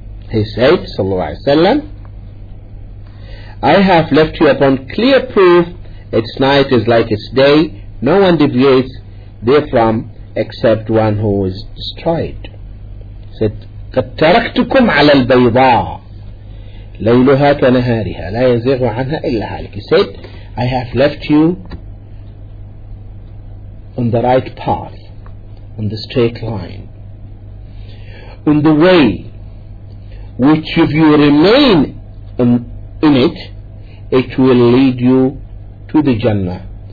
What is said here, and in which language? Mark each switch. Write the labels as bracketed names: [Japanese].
[English] He said, sallallahu alayhi wa sallam, I have left you upon clear proof, its night is like its day, no one deviates therefrom except one who is destroyed. He said, [Arabic] قَدْ تَرَكْتُكُمْ عَلَى الْبَيْضَىٰ لَيْلُهَا كَنَهَارِهَا لَا يَزِغُ عَنْهَا إِلَّا هَالِكِ. [English] He said, I have left you on the right path, on the straight line, on the way, which if you remain in it, it will lead you to the Jannah.